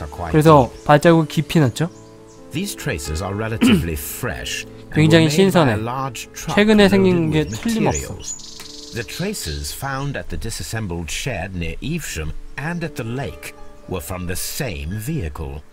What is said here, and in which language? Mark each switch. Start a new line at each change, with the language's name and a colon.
Korean: 그래서 발자국 깊이 났죠.
English: These traces are relatively fresh.
Korean: 굉장히 신선해. 최근에 생긴 게 틀림없어.
English: The traces found at the disassembled shed near Evesham and at the lake were from the same vehicle.